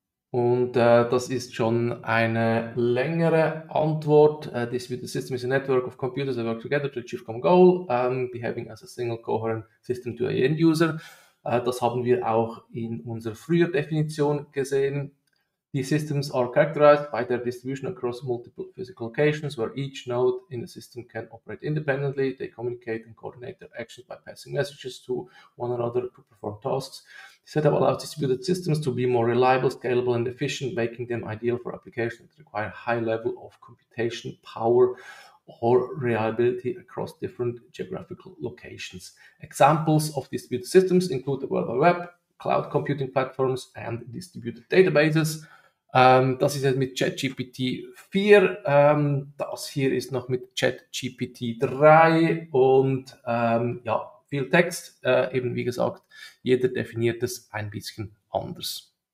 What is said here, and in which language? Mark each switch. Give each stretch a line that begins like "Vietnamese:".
German: Und das ist schon eine längere Antwort.
English: Distributed system is a network of computers that work together to achieve a common goal, behaving as a single coherent system to an end user.
German: Das haben wir auch in unserer früher Definition gesehen.
English: These systems are characterized by their distribution across multiple physical locations, where each node in the system can operate independently. They communicate and coordinate their actions by passing messages to one another to perform tasks. The setup allows distributed systems to be more reliable, scalable and efficient, making them ideal for applications that require high level of computation power or reliability across different geographical locations. Examples of distributed systems include the World Wide Web, Cloud Computing Platforms and Distributed Databases.
German: Das ist jetzt mit ChatGPT 4, das hier ist noch mit ChatGPT 3 und ja, viel Text, eben wie gesagt, jeder definiert es ein bisschen anders.